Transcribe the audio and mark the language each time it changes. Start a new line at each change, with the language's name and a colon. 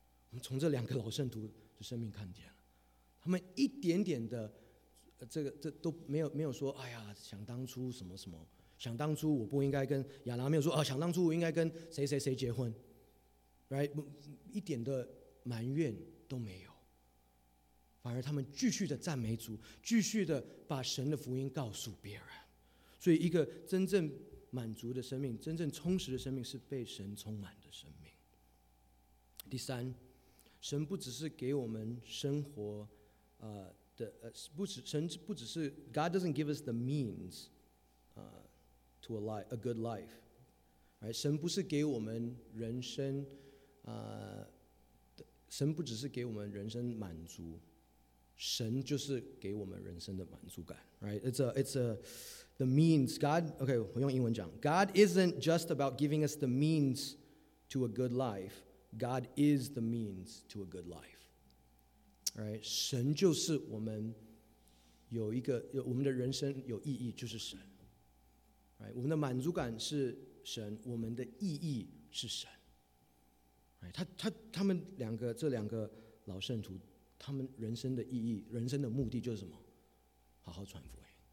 Chinese: 我们从这两个老圣徒的生命看见了，他们一点点的这都没有说，哎呀，想当初什么什么，想当初我不应该跟亚拿，没有说啊，想当初我应该跟谁谁谁结婚 right？ 一点的埋怨都没有，反而他们继续的赞美主，继续的把神的福音告诉别人。所以一个真正满足的生命，真正充实的生命是被神充满的生命。第三，神不只是给我们生活神不只是
English: God doesn't give us the means to a life, a good life, right?
Chinese: 神不是给我们人生神不只是给我们人生满足，神就是给我们人生的满足感 right?
English: It's a the means, God, okay,
Chinese: 我用英文讲
English: God isn't just about giving us the means to a good life. God is the means to a good life.
Chinese: All right, 神就是我们有一个，有我们的人生有意义就是神。 Right, 我们的满足感是神，我们的意义是神。 Right, 他们两个，这两个老圣徒，他们人生的意义，人生的目的就是什么？好好传福音。